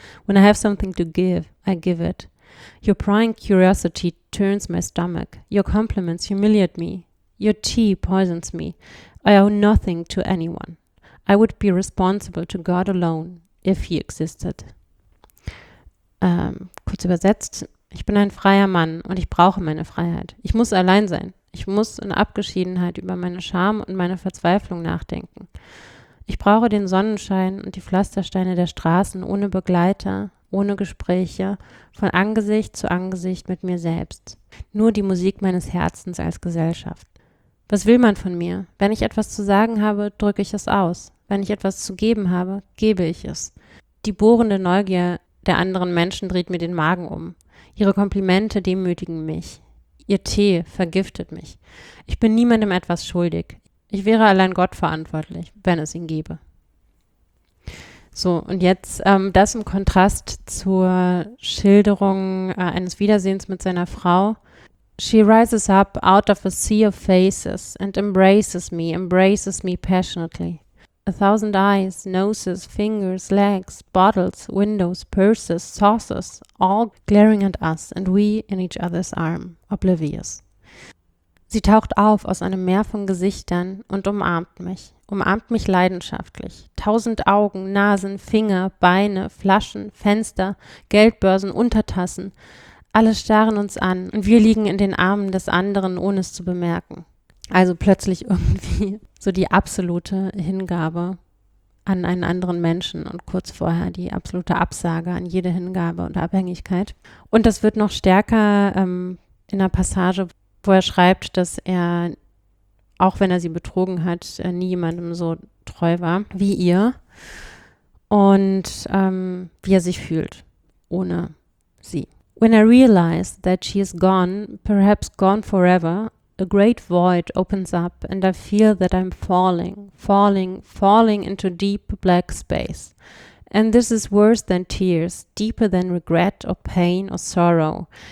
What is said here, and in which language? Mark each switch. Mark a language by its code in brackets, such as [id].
[en] When I have something to give, I give it. Your prying curiosity turns my stomach. Your compliments humiliate me. Your tea poisons me. I owe nothing to anyone. I would be responsible to God alone, if he existed. [de] Kurz übersetzt, ich bin ein freier Mann und ich brauche meine Freiheit. Ich muss allein sein. Ich muss in Abgeschiedenheit über meine Scham und meine Verzweiflung nachdenken. Ich brauche den Sonnenschein und die Pflastersteine der Straßen ohne Begleiter, ohne Gespräche, von Angesicht zu Angesicht mit mir selbst. Nur die Musik meines Herzens als Gesellschaft. Was will man von mir? Wenn ich etwas zu sagen habe, drücke ich es aus. Wenn ich etwas zu geben habe, gebe ich es. Die bohrende Neugier der anderen Menschen dreht mir den Magen um. Ihre Komplimente demütigen mich. Ihr Tee vergiftet mich. Ich bin niemandem etwas schuldig. Ich wäre allein Gott verantwortlich, wenn es ihn gäbe. So, und jetzt das im Kontrast zur Schilderung eines Wiedersehens mit seiner Frau. [en] She rises up out of a sea of faces and embraces me passionately. 1,000 eyes, noses, fingers, legs, bottles, windows, purses, saucers, all glaring at us and we in each other's arm, oblivious. [de] Sie taucht auf aus einem Meer von Gesichtern und umarmt mich leidenschaftlich. 1,000 Augen, Nasen, Finger, Beine, Flaschen, Fenster, Geldbörsen, Untertassen, alle starren uns an und wir liegen in den Armen des anderen, ohne es zu bemerken. Also plötzlich irgendwie so die absolute Hingabe an einen anderen Menschen und kurz vorher die absolute Absage an jede Hingabe und Abhängigkeit. Und das wird noch stärker in der Passage, wo er schreibt, dass er, auch wenn er sie betrogen hat, nie jemandem so treu war wie ihr und wie er sich fühlt ohne sie. [en] When I realize that she is gone, perhaps gone forever, a great void opens up and I feel that I'm falling into deep black space. And this is worse than tears, deeper than regret or pain or sorrow.